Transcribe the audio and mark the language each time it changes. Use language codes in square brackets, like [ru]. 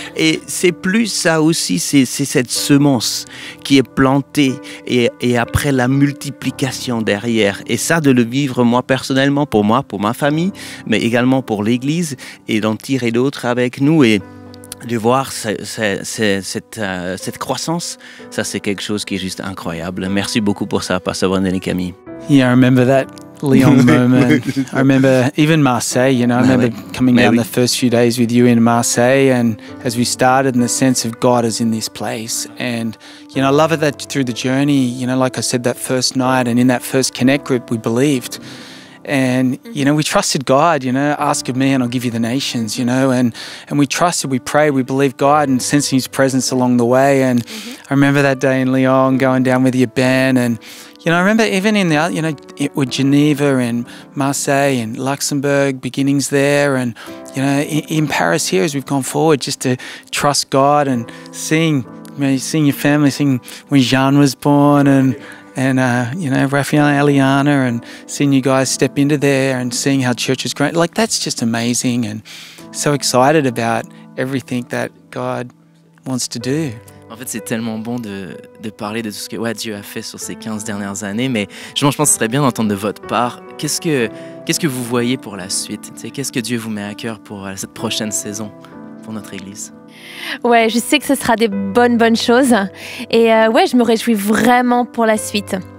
[fr] Et c'est plus ça aussi, c'est cette semence qui est plantée, et après la multiplication derrière, et ça de le vivre moi personnellement, pour moi, pour ma famille, mais également pour l'église, et d'en tirer d'autres avec nous, et de voir cette croissance, ça c'est quelque chose qui est juste incroyable. Merci beaucoup pour ça, Pasteur Brandon et Camille. [en] Yeah, I remember that Lyon moment. I remember even Marseille, you know, I remember coming down the first few days with you in Marseille, and as we started, and the sense of God is in this place. And, you know, I love it that through the journey, you know, like I said, that first night, and in that first connect group, we believed. And, you know, we trusted God, you know, ask of me and I'll give you the nations, you know. And we trusted, we prayed, we believed God and sensing His presence along the way. And I remember that day in Lyon going down with your band. And, you know, I remember even in the, you know, it with Geneva and Marseille and Luxembourg, beginnings there. And, you know, in Paris here as we've gone forward, just to trust God and seeing, you know, seeing your family, seeing when Jean was born and you know, Raphael and Eliana, and seeing you guys step into there and seeing how church has grown. Like, that's just amazing, and so excited about everything that God wants to do. [fr] En fait, c'est tellement bon de parler de tout ce que ouais, Dieu a fait sur ces 15 dernières années, mais justement, je pense que ce serait bien d'entendre de votre part. Qu'est-ce que vous voyez pour la suite? T'sais, qu'est-ce que Dieu vous met à cœur pour cette prochaine saison pour notre Église? Ouais, je sais que ce sera des bonnes choses. Et ouais, je me réjouis vraiment pour la suite.